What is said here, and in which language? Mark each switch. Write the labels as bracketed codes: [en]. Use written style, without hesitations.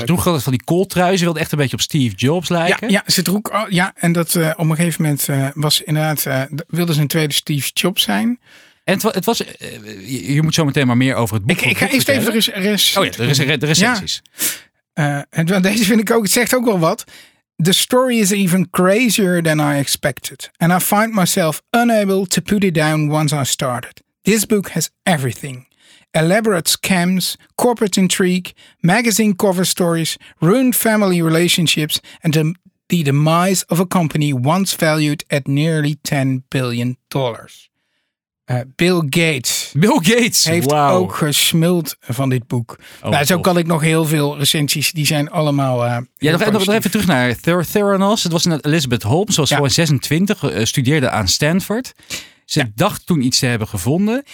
[nl] Ze droeg altijd van die kooltrui. Ze wilde echt een beetje op Steve Jobs lijken. Ze droeg, en dat op een gegeven moment was inderdaad, wilde ze een tweede Steve Jobs zijn. En het was, je moet zo meteen maar meer over het boek. Ik ga eerst even de recensies. Ja. Deze vind ik ook, het zegt ook wel wat. [en] The story is even crazier than I expected. And I find myself unable to put it down once I started. This book has everything. Elaborate scams, corporate intrigue, magazine cover stories, ruined family relationships, and the demise of a company once valued at nearly $10 billion. [nl] Bill Gates heeft ook gesmuld van dit boek. Zo kan ik nog heel veel recensies, die zijn allemaal Nog even terug naar Theranos. Het was net Elizabeth Holmes, was gewoon 26, studeerde aan Stanford. Ze dacht toen iets te hebben gevonden.